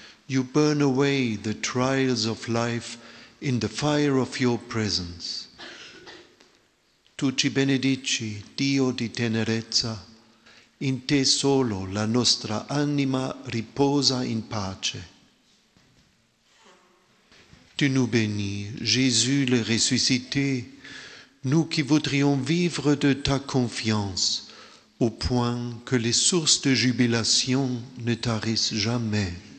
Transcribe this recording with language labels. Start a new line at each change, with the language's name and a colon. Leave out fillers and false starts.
English: You burn away the trials of life in the fire of your presence.
Italian: Tu ci benedici, Dio di tenerezza, in te solo la nostra anima riposa in pace.
French: Tu nous bénis, Jésus le ressuscité, nous qui voudrions vivre de ta confiance, au point que les sources de jubilation ne tarissent jamais.